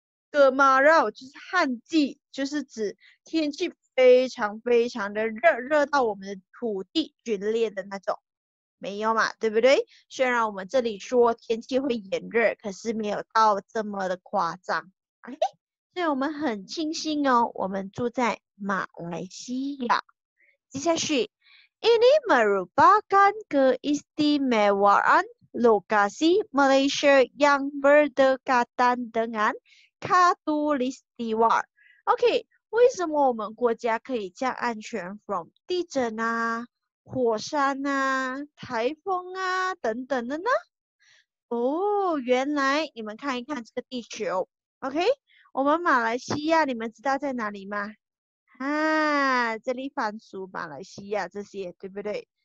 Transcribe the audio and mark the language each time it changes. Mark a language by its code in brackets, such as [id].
[zh] Kemarau 就是旱季，就是指天气非常非常的热，热到我们的土地皲裂的那种。没有嘛，对不对？虽然我们这里说天气会炎热，可是没有到这么的夸张。 OK，所以我们很庆幸哦，我们住在马来西亚。接下去， [ms] Ini merupakan keistimewaan lokasi Malaysia yang berdekatan dengan Khatulistiwa。 [zh] OK，为什么我们国家可以这样安全 from 地震啊？火山啊，台风啊，等等的呢？哦，原来你们看一看这个地球，OK？我们马来西亚，你们知道在哪里吗？啊，这里番薯、马来西亚这些，对不对？